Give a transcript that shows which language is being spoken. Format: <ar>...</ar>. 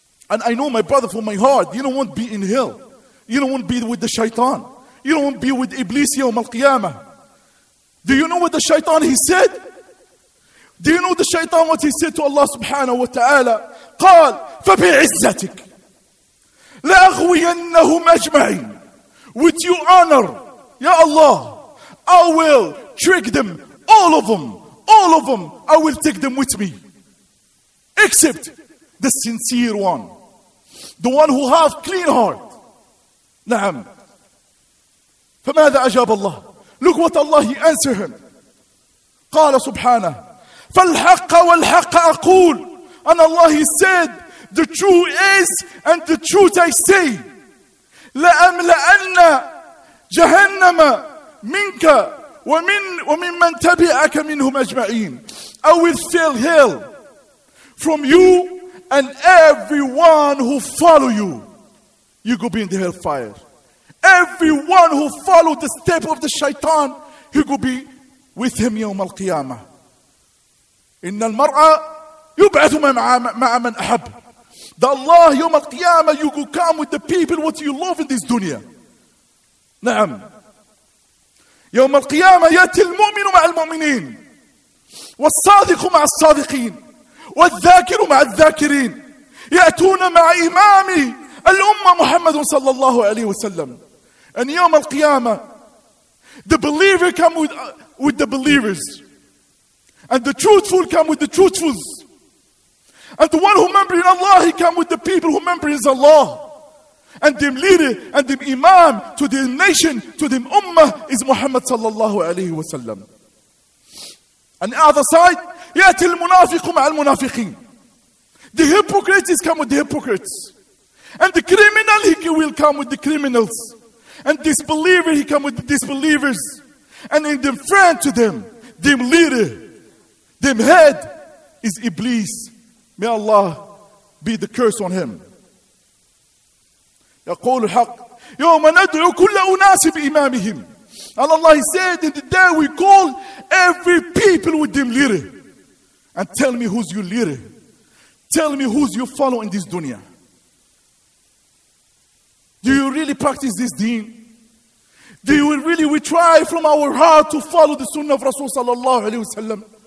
<en>And I know my brother from my heart. You don't want to be in hell. You don't want to be with the shaitan. You don't want to be with Iblis yawm al-qiyamah. Do you know what the shaitan he said? Do you know the shaitan what he said to Allah subhanahu wa ta'ala?</en> <ar>قال فبعزتك لأغوينهم أجمعين.</ar> <en>With your honor, ya Allah, I will trick them, all of them, all of them, I will take them with me. Except the sincere one. The one who has clean heart. نعم.</en> <ar>فماذا أجاب الله؟</ar> <en>Look what Allah, he answered him.</en> <ar>قال سبحانه فالحق والحق أقول.</ar> <en>And Allah, he said, the truth is and the truth I say.</en> <ar>لأملأن جهنم منك ومن من تبعك منهم أجمعين.</ar> <en>I will fill hell from you and everyone who follow you. You go be in the hellfire. Everyone who followed the step of the shaitan, he could be with him يوم القيامة.</en> <ar>إن المرأة يبعث مع من أحب.</ar> <en>The Allah يوم القيامة, you could come with the people what you love in this dunya.</en> <ar>نعم. يوم القيامة يأتي المؤمن مع المؤمنين. والصادق مع الصادقين. والذاكر مع الذاكرين. يأتون مع إمام الأمة محمد صلى الله عليه وسلم.</ar> <en>And يوم القيامة, the believer come with the believers. And the truthful come with the truthfuls. And the one who remember in Allah, he come with the people who remember in Allah. And the leader and the imam to the nation, to the ummah is Muhammad sallallahu alayhi wa sallam. And the other side,</en> <ar>يأتي المنافق مع المنافقين.</ar> <en>The hypocrites come with the hypocrites. And the criminal, he will come with the criminals. And disbeliever, he come with the disbelievers. And in the friend to them, them leader, them head, is Iblis. May Allah be the curse on him.</en> <ar>يقول الحق يوم ندعو كل أناس بإمامهم.</ar> <en>And Allah said, in the day we call every people with them leader. And tell me who's your leader. Tell me who's your follow in this dunya. really practice this deen? Do you really, we try from our heart to follow the sunnah of Rasul sallallahu alayhi wa sallam?</en>